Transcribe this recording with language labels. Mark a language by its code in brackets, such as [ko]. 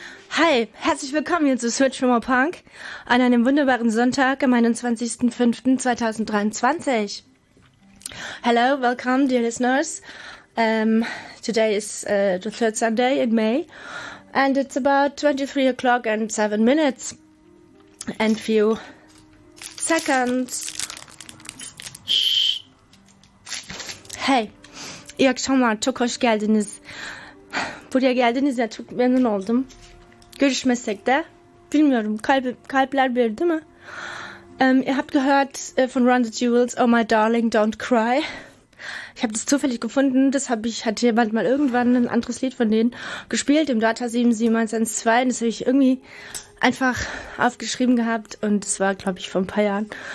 [de] Hi, herzlich willkommen hier zu Switch for More Punk an einem wunderbaren Sonntag am 21.05.2023. [en] Hello, welcome, dear listeners. Today is the third Sunday in May and it's about 23 o'clock and 7 minutes and few seconds. [de] Hey, ihr schon mal, [tr] çok hoş geldiniz. Buraya geldiniz ya, çok memnun oldum. Görüşmesek de bilmiyorum, kalpler bir değil mi? [de] Ihr habt gehört von Run the Jewels, Oh My Darling, Don't Cry. Ich habe das zufällig gefunden, das habe ich, hat jemand mal irgendwann ein anderes Lied von denen gespielt, im Data 77112, das habe ich irgendwie einfach aufgeschrieben gehabt und das war, glaube ich, vor ein paar Jahren.